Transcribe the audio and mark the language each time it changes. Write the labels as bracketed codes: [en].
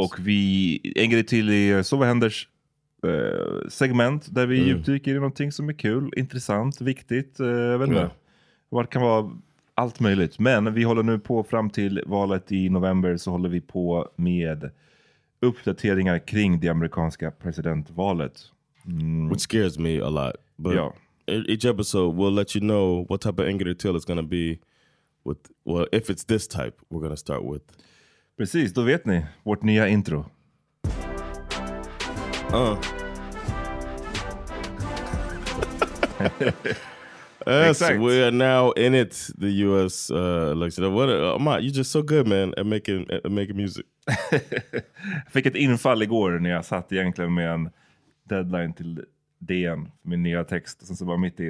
[sv] Och vi en grej till i Så vad händer segment där vi djupdyker i någonting som är kul, intressant, viktigt. Vad kan vara allt möjligt. Men vi håller nu på fram till valet i november, så håller vi på med uppdateringar kring det amerikanska presidentvalet. [en] Mm. Which scares me a lot. But each episode we'll let you know what type of angry tale it's gonna be with, well, if it's this type we're gonna start with. [sv] Precis, då vet ni vårt nya intro. [en] Exactly. So we are now in it, the U.S. election. What, Matt, you're just so good, man, at making music. [sv] Jag fick ett infall igår när jag satt egentligen med en deadline till DN, min nya text, och sen så bara mitt i.